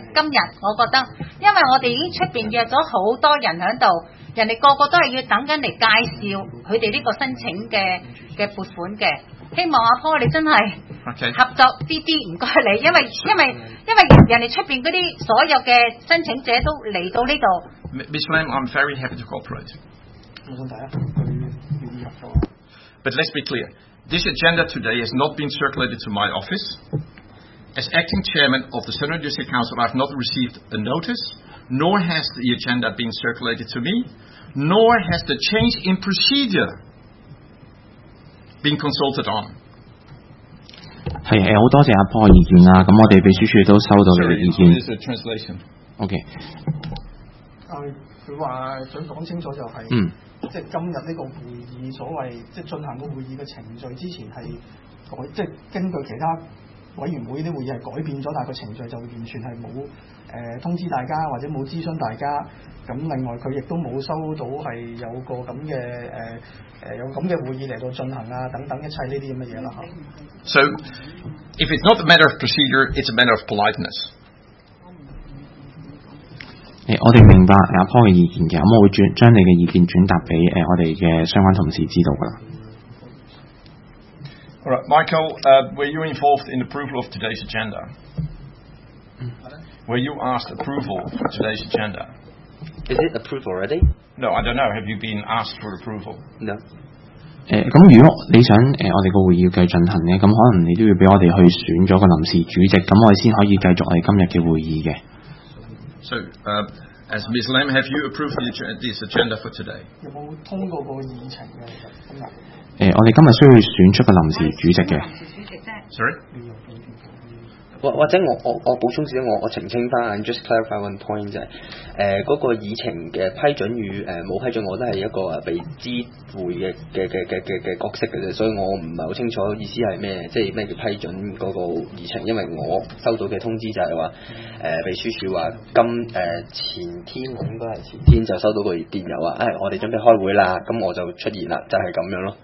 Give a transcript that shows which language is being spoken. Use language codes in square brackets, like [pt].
[yue] 今天我觉得因为我们已经出面约了很多人在这里，人哋個個都係要等緊嚟介紹佢哋呢個申請嘅撥款嘅，希望阿波你真係合作啲啲，唔該你，因為人哋出邊嗰啲所有嘅申請者都嚟到呢度。 [en] Miss Lam, I'm very happy to cooperate. [yue] 冇問題啊。 [en] But let's be clear, this agenda today has not been circulated to my office. As acting chairman of the Central District Council, I've not received a notice. Nor has the agenda been circulated to me, nor has the change in procedure been consulted on. [yue] 係，好多謝阿波意見啦。咁我哋秘書處都收到你嘅意見。 [en] This is a translation. Okay. [yue] 佢話想講清楚就係，即係今日呢個會議所謂即係進行個會議嘅程序之前係改，即係根據其他委員會啲會議係改變咗，但係個程序就完全係冇。通知大家或者冇諮詢大家，咁另外佢亦都冇收到係有個咁嘅有咁嘅會議嚟到進行啊等等一切呢啲咁嘅嘢啦。 [en] So if it's not a matter of procedure, it's a matter of politeness. [yue] 我哋明白阿波嘅意見嘅，咁我會將你嘅意見轉達俾我哋嘅相關同事知道噶啦。 [en] All right, Michael, were you involved in approval of today's agenda? Were you asked approval for today's agenda? Is it approved already? No, I don't know. Have you been asked for approval? No. [yue] 咁如果你想我哋個會議繼續進行咧，咁可能你都要俾我哋去選咗個臨時主席，咁我哋先可以繼續我哋今日嘅會議嘅。 [en] So, as Ms. Lam, have you approved this agenda for today? [yue] 有冇通過個議程嘅今日？我哋今日需要選出個臨時主席嘅。 [en] Sorry? [yue] 或者我補充一點，我澄清翻 ， [en] just clarify one point [yue] 啫。嗰個議程嘅批准與冇批准，我都係一個被知會嘅角色嘅啫，所以我唔係好清楚意思係咩，即係咩叫批准嗰個議程，因為我收到嘅通知就係話秘書處話前天我應該係前天就收到個電郵話，我哋準備開會啦，咁我就出現啦，就係咁樣咯。